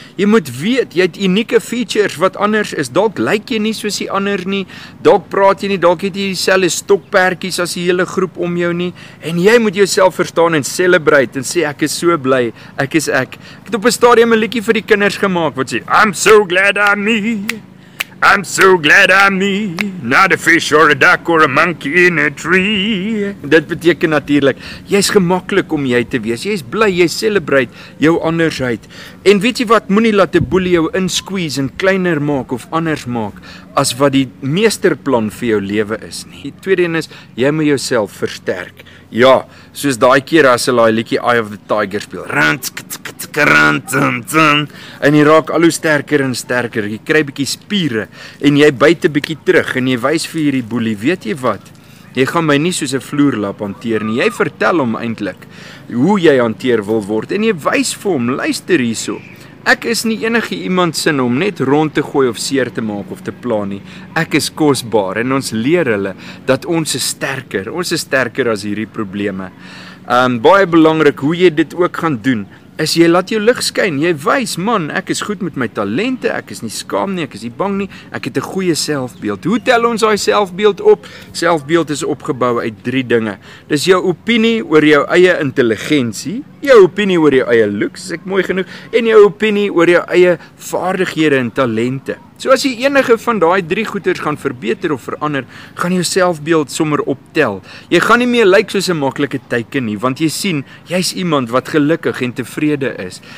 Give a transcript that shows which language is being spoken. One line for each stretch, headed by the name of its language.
Afrikaans: Jy moet weet, jy het unieke features wat anders is, dalk lyk jy nie soos die ander nie, dalk praat jy nie, dalk het jy dieselfde stokperdjies as die hele groep om jou nie, en jy moet jouself verstaan en celebrate en sê, ek is so bly, ek is ek. Ek het op 'n stadium 'n liedjie vir die kinders gemaak wat sê,
English: I'm so glad I'm me. I'm so glad I'm me, not a fish or a duck or a monkey in a tree.
Afrikaans: Dit beteken natuurlik, jy is gemaklik om jy te wees, jy is bly, jy celebrate jou andersheid. En weet jy wat, moenie laat die boelie jou insqueeze en kleiner maak of anders maak, as wat die meesterplan vir jou lewe is nie. Die tweede een is, jy moet jouself versterk. Ja, soos daai keer as hulle daai liedjie Eye of the Tiger speel. En jy raak al hoe sterker en sterker. Jy kry bietjie spiere en jy byt 'n bietjie terug en jy wys vir hierdie boelie, weet jy wat? Jy gaan my nie soos 'n vloerlap hanteer nie. Jy vertel hom eintlik hoe jy hanteer wil word en jy wys vir hom, luister hierso. Ek is nie enige iemand sin om net rond te gooi of seer te maak of te pla nie. Ek is kosbaar en ons leer hulle dat ons is sterker as hierdie probleme. Baie belangrik hoe jy dit ook gaan doen, is jy laat jou lig skyn, jy wys, man, ek is goed met my talente, ek is nie skaam nie, ek is nie bang nie, ek het 'n goeie selfbeeld. Hoe tel ons daai selfbeeld op? Selfbeeld is opgebou uit 3 dinge. Dis jou opinie oor jou eie intelligensie, jou opinie oor jou eie looks, is ek mooi genoeg, en jou opinie oor jou eie vaardighede en talente. So as jy enige van daai 3 goeters gaan verbeter of verander, gaan jou selfbeeld sommer optel. Jy gaan nie meer lyk soos 'n maklike teiken nie, want jy sien, jy's iemand wat gelukkig en tevrede is.